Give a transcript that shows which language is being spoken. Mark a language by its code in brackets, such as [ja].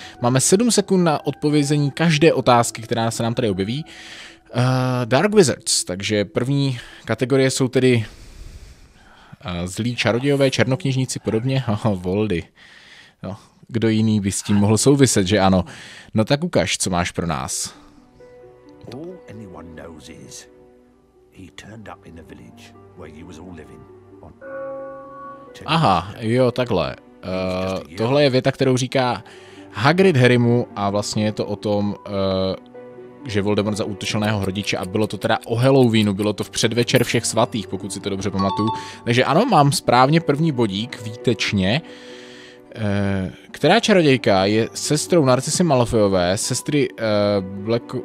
[cs] Máme 7 sekund na odpovězení každé otázky, která se nám tady objeví. Dark Wizards, takže první kategorie jsou tedy zlí čarodějové, černokněžníci, podobně. Voldy. No, kdo jiný by s tím mohl souviset, že ano? No tak ukaž, co máš pro nás. [en] All anyone knows is he turned up in the village where he was all living. [cs] Aha, jo, takhle. Tohle je věta, kterou říká Hagrid Harrymu a vlastně je to o tom, že Voldemort zaútočil na jeho rodiče a bylo to teda o Halloweenu, bylo to v předvečer všech svatých, pokud si to dobře pamatuju. Takže ano, mám správně první bodík, výtečně. Která čarodějka je sestrou Narcisy Malfoyové, sestry Black...